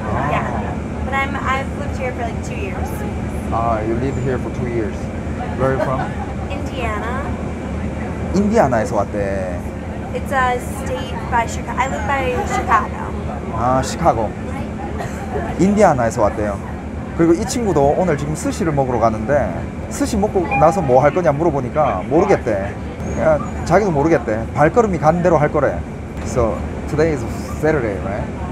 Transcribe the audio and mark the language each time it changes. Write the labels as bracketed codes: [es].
[en] Yeah. But I've lived here for like 2 years. You live here for 2 years. Where are you from? Indiana. [ko] 인디애나에서 왔대. [en] It's a state by Chicago. I live by Chicago. [ko] 시카고. 인디애나에서 왔대요. 그리고 이 친구도 오늘 지금 스시를 먹으러 가는데 스시 먹고 나서 뭐 할 거냐 물어보니까 모르겠대. 그냥 자기도 모르겠대. 발걸음이 간 대로 할 거래. [en] So, today is Saturday, right?